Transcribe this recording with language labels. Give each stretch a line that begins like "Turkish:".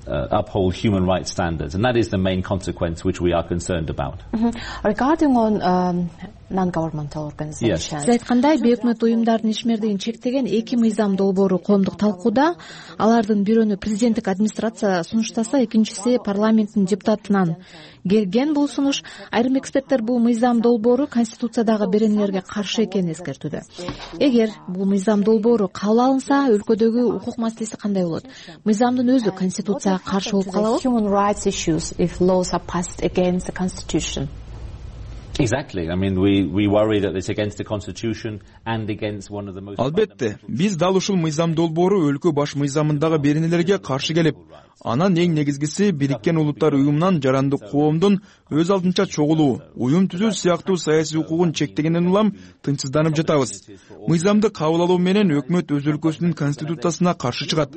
English: Uphold human rights standards, and that is the main consequence which we are concerned about. Regarding on non-governmental organizations. Yes.
Kyrgyz: Айткандай, бейөкмөт уюмдардын ишмердигин чектеген эки мыйзам долбоору коомдук талкууда, алардын бирөөнү президенттик администрация сунуштаса, экинчиси парламенттин депутатынан келген бул сунуш. Айрым эксперттер бул мыйзам долбоору конституциядагы беренелерге каршы экенин эскертүүдө. Эгер бул мыйзам долбоору кабыл алынса, өлкөдөгү укук маселеси кандай болот? Мыйзамдын өзү конституцияга каршы болуп калабы?
English: Human rights issues if laws are passed against the constitution. Exactly. I mean, we worry that it's against the constitution and against one of the most.
Kyrgyz: Албетте, биз дал ушул мыйзам долбоору өлкө баш мыйзамындагы беренелерге каршы келип, анан эң негизгиси Бириккен Улуттар Уюмунан жарандык коомдун өз алдынча чогулуу, уюм түзүү сыяктуу саясий укугун чектегенден улам тынчсызданып жатабыз. Мыйзамды кабыл алуу менен өкмөт өз өлкөсүнүн конституциясына каршы чыгат.